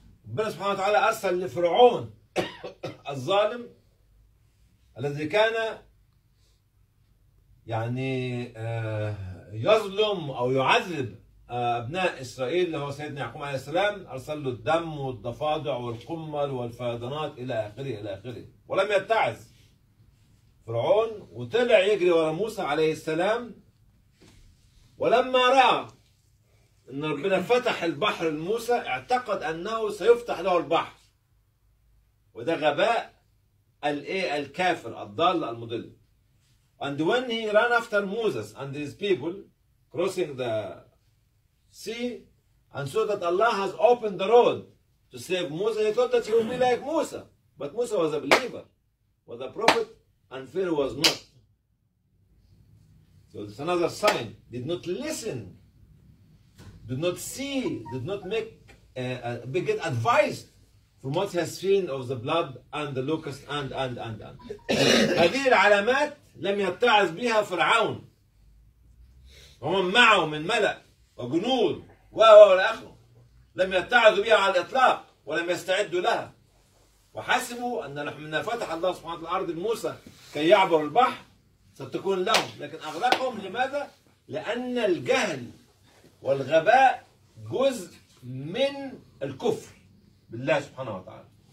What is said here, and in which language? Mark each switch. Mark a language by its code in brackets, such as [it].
[ar] ربنا سبحانه وتعالى أرسل لفرعون الظالم الذي كان يعني يظلم أو يعذب أبناء إسرائيل اللي هو سيدنا يعقوب عليه السلام, أرسل له الدم والضفادع والقمل والفيضانات إلى آخره إلى آخره, ولم يتعظ فرعون وطلع يجري ورا موسى عليه السلام. ولما راى ان ربنا فتح البحر لموسى اعتقد انه سيفتح له البحر, وده غباء الكافر الضال المضل. [en] And when he ran after Moses and his people crossing the sea and saw that Allah has opened the road to save Moses, he thought that he would be like Musa. But Musa was a believer, was a prophet, and Pharaoh was not. So it's another sign. Did not listen. Did not see. Did not make, get advice from what has seen of the blood and the locust and. [ar] هذه العلامات لم يتعظ بها فرعون ومن معه من ملأ وجنود والآخر لم يتعظ بها على الإطلاق ولم يستعدوا لها وحسبوا أن لما فتح الله سبحانه وتعالى الأرض لموسى كي يعبر البحر ستكون لهم لكن أغلقهم لماذا؟ لأن الجهل والغباء جزء من الكفر بالله سبحانه وتعالى